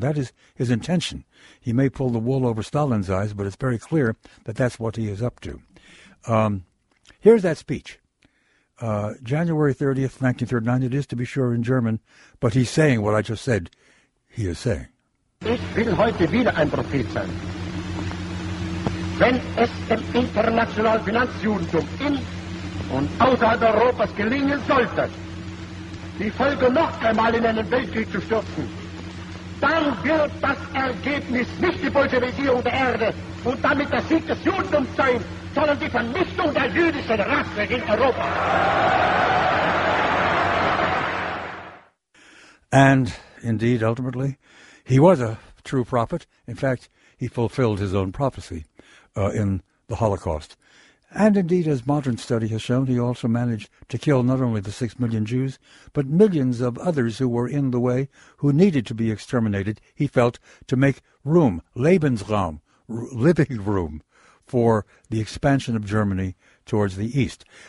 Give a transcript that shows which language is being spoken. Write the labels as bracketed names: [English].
[English] That is his intention. He may pull the wool over Stalin's eyes, but it's very clear that that's what he is up to. Here's that speech. January 30th, 1939, it is to be sure in German, but he's saying what I just said he is saying. [German] Ich will heute wieder ein Prophet sein. Wenn es dem internationalen Finanzjudentum in und außerhalb Europas gelingen sollte, die Völker noch einmal in einen Weltkrieg zu stürzen, dann wird das Ergebnis nicht die Bolschewisierung der Erde und damit der Sieg des Judentums sein, sondern die Vernichtung der jüdischen Rasse in Europa. [English] And indeed, ultimately, he was a true prophet. In fact, he fulfilled his own prophecy in the Holocaust. And indeed, as modern study has shown, he also managed to kill not only the 6 million Jews, but millions of others who were in the way, who needed to be exterminated, he felt, to make room, Lebensraum, living room, for the expansion of Germany towards the east.